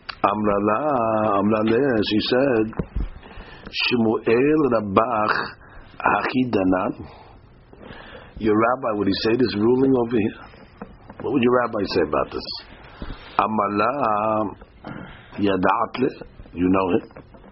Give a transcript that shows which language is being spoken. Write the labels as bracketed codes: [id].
[arc] אמרה לה, [en] she said, [arc] שמואל רבך הכי דנן. [en] Your rabbi, would he say this ruling over here? What would your rabbi say about this? [arc] אמרה לה, ידעת לה, [en] you know him.